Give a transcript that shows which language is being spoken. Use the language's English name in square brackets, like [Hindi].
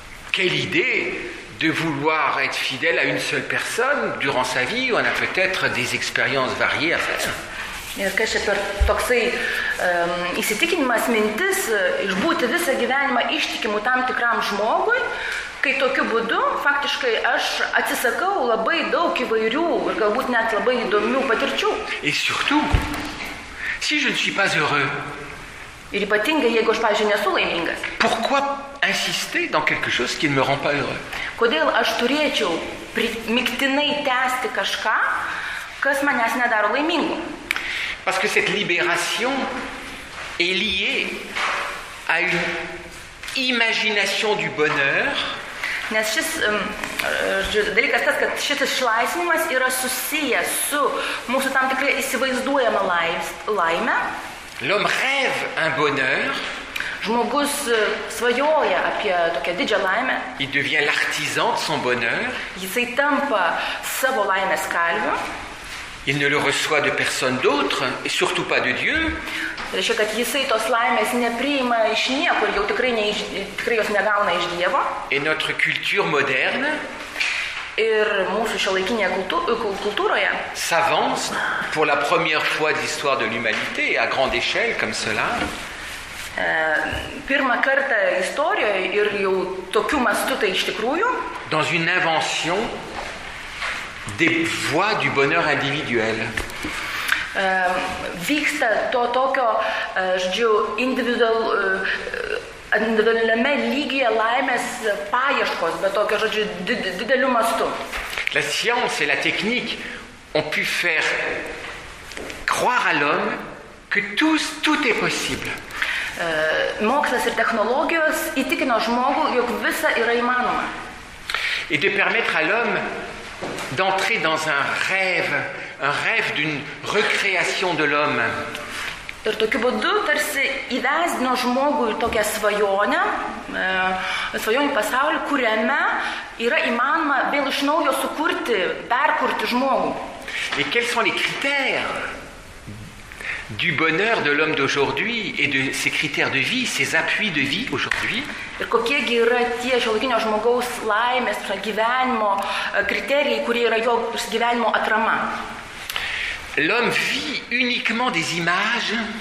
[French] Quelle idée de vouloir être fidèle à une seule personne durant sa vie, on a peut-être des expériences variées à faire. [Lithuanian] Ir kas čia per toksai įsitikinimas mintis išbūti visą gyvenimą ištikimu tam tikram žmogui, kai tokiu būdu faktiškai aš atsisakau labai daug įvairių ir galbūt net labai įdomių patirčių. [French] Et surtout, si je ne suis pas heureux. [Lithuanian] Ir ypatingai, jeigu aš, pavyzdžiui, nesu laimingas. [French] Pourquoi insister dans quelque chose qui ne me rend pas heureux? [Lithuanian] Kodėl aš turėčiau primiktinai tęsti kažką, kas manęs nedaro laimingu? [French] Parce que cette libération est liée à une imagination du bonheur. [Lithuanian] Nes šis dalykas tas, kad šis išlaisvinimas yra susijęs su mūsų tam tikrai įsivaizduojama laime. [French] L'homme rêve un bonheur. [Lithuanian] Žmogus svajoja apie tokią didžią laimę. [French] Il devient l'artisan de son bonheur. [Lithuanian] Jisai tampa savo laimės kalviu. [French] Il ne le reçoit de personne d'autre, et surtout pas de Dieu. [Lithuanian] Reiškia, kad jisai tos laimės nepriima iš niekur, jau tikrai jos negauna iš Dievo. [French] Et notre culture moderne. [Lithuanian] Ir mūsų šiuolaikinėje kultūroje. [French] S'avance pour la première fois de l'histoire de l'humanité à grande échelle comme cela. [Lithuanian] Pirmą kartą istorijoje ir jau tokiu mastu tai iš tikrųjų. [French] Dans une invention des voies du bonheur individuel. [Lithuanian] Vyksta to tokio, žodžiu, individualiame lygyje laimės paieškos, bet tokio, žodžiu, dideliu mastu. [French] La science et la technique ont pu faire croire à l'homme que tout est possible. [Lithuanian] Mokslas ir technologijos įtikino žmogų, jog visa yra įmanoma. [French] Et de permettre à l'homme d'entrer dans un rêve d'une recréation de l'homme. [Lithuanian] Ir tokiu būdu tarsi įvesdino žmogui tokią svajonių pasaulį, kuriame yra įmanoma vėl iš naujo sukurti, perkurti žmogų. [French] Et quels sont les critères du bonheur de l'homme d'aujourd'hui et de ses critères de vie, ses appuis de vie aujourd'hui? [Lithuanian] Ir kokie yra tie šiuolaikinio žmogaus laimės gyvenimo kriterijai, kurie yra jo gyvenimo atrama? [French] L'homme vit uniquement des images.